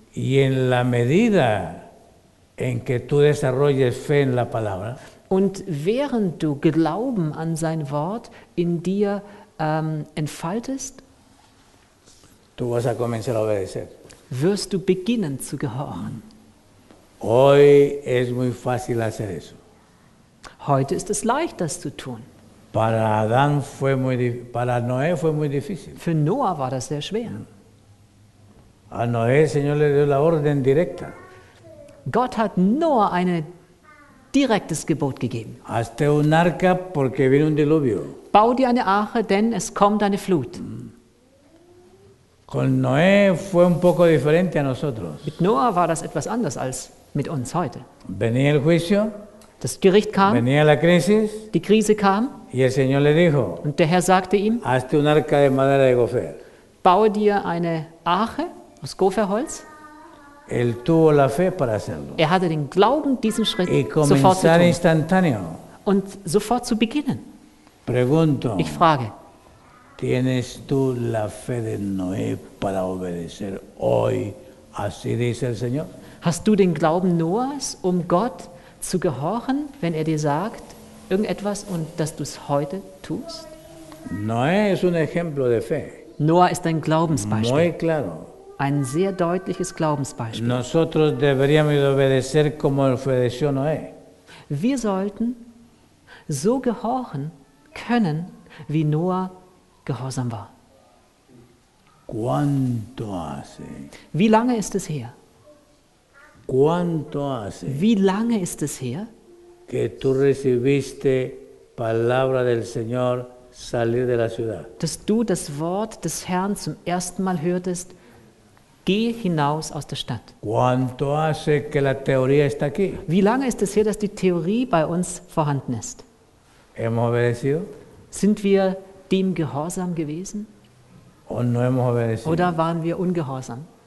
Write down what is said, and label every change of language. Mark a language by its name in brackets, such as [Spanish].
[Spanish] Y en la medida en que tú desarrolles fe en la palabra, [German] und während du Glauben an sein Wort in dir entfaltest, [Spanish] tú vas a comenzar a obedecer. [German] Wirst du beginnen zu gehorchen. [Spanish] Hoy es muy fácil hacer eso. [German] Heute ist es leicht, das zu tun. [Spanish] Para Adán fue muy, para Noé fue muy difícil. [German] Für Noah war das sehr schwer. [Spanish] A Noé el Señor le dio la orden directa. [German] Gott hat Noah ein direktes Gebot gegeben. [Spanish] Hazte un arca porque viene un diluvio. [German] Bau dir eine Arche, denn es kommt eine Flut. [Spanish] Con Noé fue un poco diferente a nosotros. [German] Mit Noah war das etwas anders als mit uns heute. [Spanish] Venía el juicio. [German] Das Gericht kam. [Spanish] Venía la crisis. [German] Die Krise kam. [Spanish] Y el Señor le dijo, [German] und der Herr sagte ihm, [Spanish] hazte un arca de madera de gofer. [German] Baue dir eine Arche aus Goferholz. [Spanish] Él tuvo la fe para hacerlo. [German] Er hatte den Glauben, diesen Schritt sofort zu tun. Und sofort zu beginnen. [Spanish] Pregunto, [German] ich frage, [Spanish] ¿tienes tú la fe de Noé para obedecer hoy? Así dice el Señor. [German] Hast du den Glauben Noahs, um Gott zu gehorchen, wenn er dir sagt, irgendetwas und dass du es heute tust? [Spanish] Noé es un ejemplo de fe. [German] Noah ist ein Glaubensbeispiel. [Spanish] Muy claro. [German] Ein sehr deutliches Glaubensbeispiel. [Spanish] Nosotros deberíamos obedecer como obedeció Noé. [German] Wir sollten so gehorchen können, wie Noah gehorsam war. [Spanish] Quanto hace? [German] Wie lange ist es her? [Spanish] Quanto hace? [German] Wie lange ist es her? [Spanish] Que tú recibiste palabra del Señor salir de la ciudad. [German] Dass du das Wort des Herrn zum ersten Mal hörtest, geh hinaus aus der Stadt. [Spanish] Quanto hace que la teoría está aquí? [German] Wie lange ist es her, dass die Theorie bei uns vorhanden ist? [Spanish] ¿Hemos obedecido? [German] Sind wir dem gehorsam gewesen? [Spanish] ¿O no hemos obedecido? [German] Oder waren wir ungehorsam?